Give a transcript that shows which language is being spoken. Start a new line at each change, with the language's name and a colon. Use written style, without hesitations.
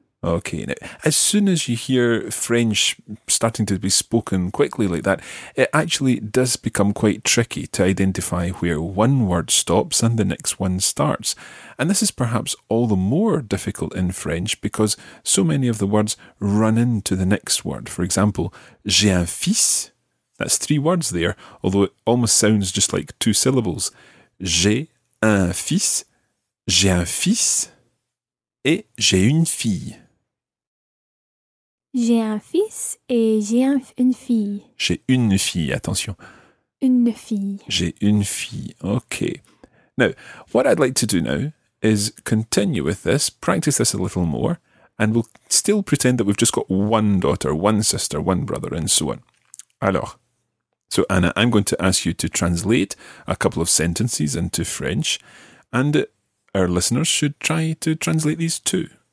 English: Okay, now, as soon as you hear French starting to be spoken quickly like that, it actually does become quite tricky to identify where one word stops and the next one starts. And this is perhaps all the more difficult in French because so many of the words run into the next word. For example,
French: j'ai un fils,
English: that's three words there, although it almost sounds just like two syllables.
French: J'ai un fils, j'ai un fils, et j'ai une fille. J'ai un fils et j'ai une fille. J'ai une fille, attention. Une fille. J'ai une fille, okay.
English: Now, what I'd like to do now is continue with this, practice this a little more, and we'll still pretend that we've just got one daughter, one sister, one brother, and so on. Alors, so Anna, I'm going to ask you to translate a couple of sentences into French, and our listeners should try to translate these too.